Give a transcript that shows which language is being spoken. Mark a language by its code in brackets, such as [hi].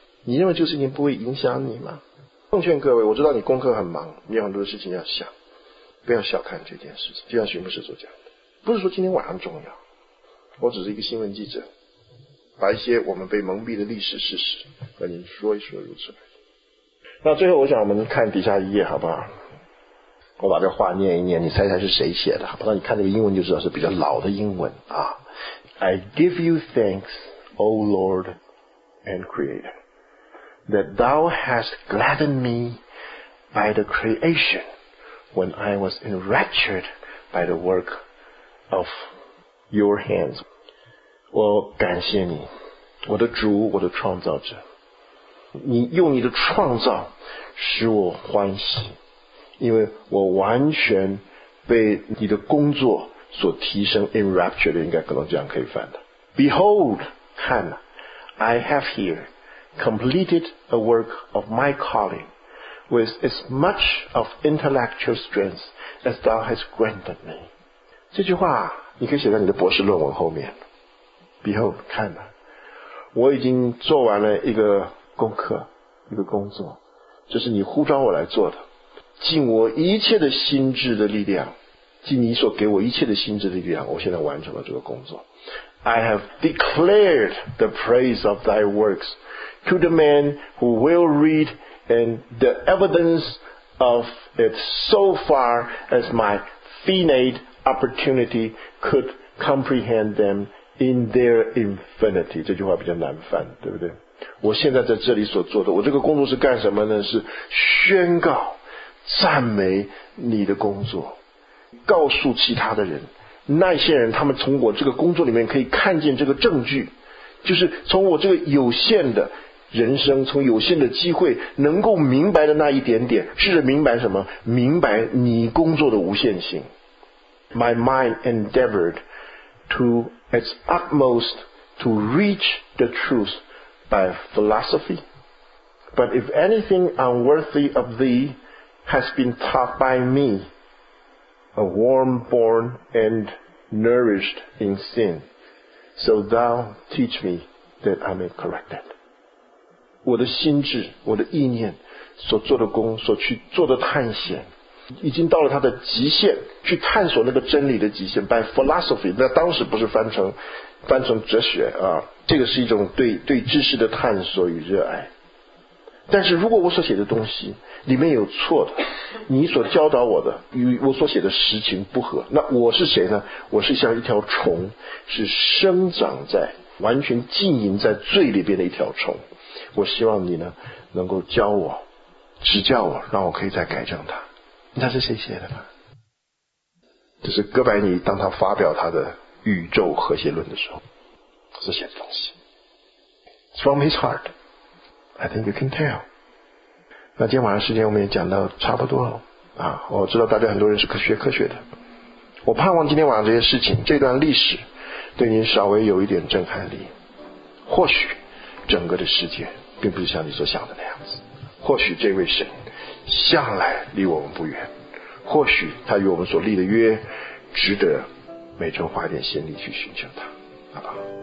[zh] 你认为这个事情不会影响你吗？奉劝各位，我知道你功课很忙，你有很多的事情要想，不要小看这件事情。就像徐牧师所讲的，不是说今天晚上重要，我只是一个新闻记者，把一些我们被蒙蔽的历史事实和您说一说如此。那最后我想我们看底下一页好不好，我把这话念一念，你猜猜是谁写的。不然你看这个英文就知道是比较老的英文啊。 [en] I give you thanks, O Lord and Creator, that thou hast gladdened me by the creation when I was enraptured by the work of your hands. [zh] 我感谢你，我的主，我的创造者，你用你的创造使我欢喜，因为我完全被你的工作所提升。 enraptured 应该可能这样可以翻的。 [en] Behold, [zh] 看了 [en] I have here completed a work of my calling with as much of intellectual strength as thou hast granted me. [zh] 这句话你可以写在你的博士论文后面。Behold, 看了，我已经做完了一个功课，一个工作，这是你呼召我来做的，尽我一切的心智的力量，尽你所给我一切的心智的力量，我现在完成了这个工作。 [en] I have declared the praise of thy works to the man who will read, and the evidence of it so far as my finite opportunity could comprehend them in their infinity. [zh] 这句话比较难翻，对不对？我现在在这里所做的，我这个工作是干什么呢？是宣告赞美你的工作，告诉其他的人，那些人他们从我这个工作里面可以看见这个证据，就是从我这个有限的人生，从有限的机会能够明白的那一点点，试着明白什么？明白你工作的无限性。 [en] My mind endeavored to its utmost to reach the truthby philosophy, but if anything unworthy of thee has been taught by me, a worm born and nourished in sin, so thou teach me that I may correct it. [zh] 我的心智，我的意念，所做的工，所去做的探险，已经到了它的极限，去探索那个真理的极限。 [en] by philosophy, [zh] 那当时不是翻成哲学啊，这个是一种对知识的探索与热爱。但是如果我所写的东西里面有错的，你所教导我的与我所写的实情不合，那我是谁呢？我是像一条虫，是生长在完全浸淫在罪里边的一条虫。我希望你呢能够教我，指教我，让我可以再改正它。那是谁写的呢？这是哥白尼当他发表他的宇宙和谐论的时候所写的东西。 [en] From his heart, I think you can tell. [zh] 那今天晚上时间我们也讲到差不多了啊，我知道大家很多人是学科学的，我盼望今天晚上这些事情，这段历史对您稍微有一点震撼力。或许整个的世界并不是像你所想的那样子，或许这位神向来离我们不远，或许他与我们所立的约值得每周花点心力去寻求他，好不好？